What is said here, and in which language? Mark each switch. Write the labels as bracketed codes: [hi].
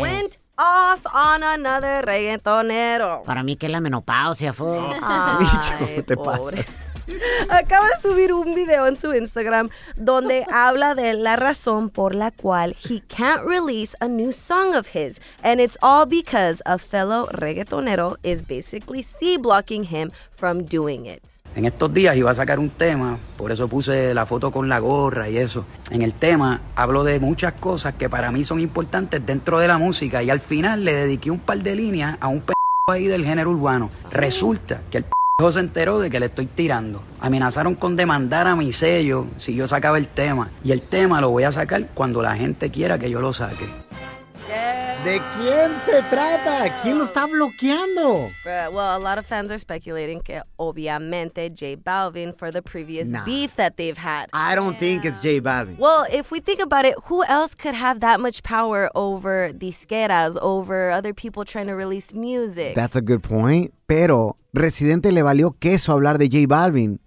[en] Went off on another reggaetonero. [es] Para mí que es la menopausia, fue. Micho, ¿te pasas? Acaba de subir un video en su Instagram donde habla de la razón por la cual he can't release a new song of his. [en] And it's all because a fellow reggaetonero is basically C-blocking him from doing it. [es] En estos días iba a sacar un tema, por eso puse la foto con la gorra y eso. En el tema hablo de muchas cosas que para mí son importantes dentro de la música y al final le dediqué un par de líneas a un p*** ahí del género urbano. Resulta que el p*** Hijo se enteró de que le estoy tirando. Amenazaron con demandar a mi sello si yo sacaba el tema. Y el tema lo voy a sacar cuando la gente quiera que yo lo saque. ¿De quién se trata? ¿Quién lo está bloqueando? [en] Well, a lot of fans are speculating que obviamente J Balvin for the previous beef that they've had. I don't think it's J Balvin. Well, if we think about it, who else could have that much power over disqueras, over other people trying to release music? That's a good point. [es] Pero Residente le valió queso hablar de J Balvin.